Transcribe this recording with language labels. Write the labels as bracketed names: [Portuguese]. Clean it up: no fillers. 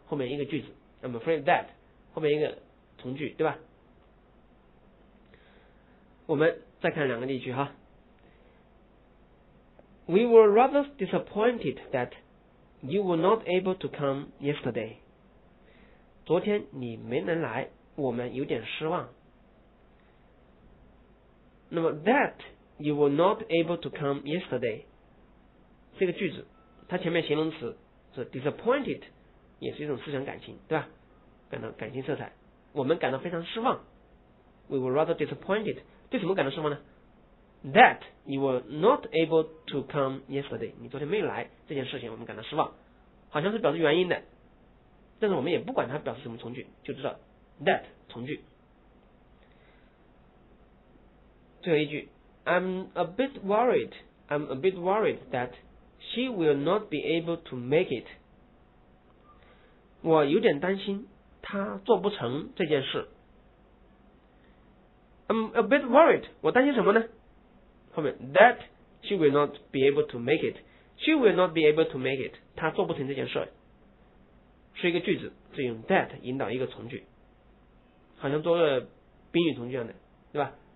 [Chinese] 后面一个句子 ， [English] I'm afraid that， [Chinese] 后面一个从句，对吧？我们再看两个例句哈。 [English] We were rather disappointed that you were not able to come yesterday。 [Chinese] 昨天你没能来，我们有点失望。那么 [English] that you were not able to come yesterday [Chinese] 这个句子，它前面形容词是 disappointed。也是一种思想感情，对吧？感到感情色彩，我们感到非常失望。 [English] We were rather disappointed. [Chinese] 对什么感到失望呢 [English] ？That you were not able to come yesterday. [Chinese] 你昨天没来这件事情，我们感到失望，好像是表示原因的。但是我们也不管它表示什么从句，就知道 that 从句。最后一句 [English] I'm a bit worried that she will not be able to make it. [Chinese] 我有点担心他做不成这件事。 [English] I'm a bit worried， [Chinese] 我担心什么呢？后面 [English] that she will not be able to make it， she will not be able to make it， [Chinese] 他做不成这件事是一个句子，是用 that 引导一个从句，好像做个宾语从句一样的，对吧？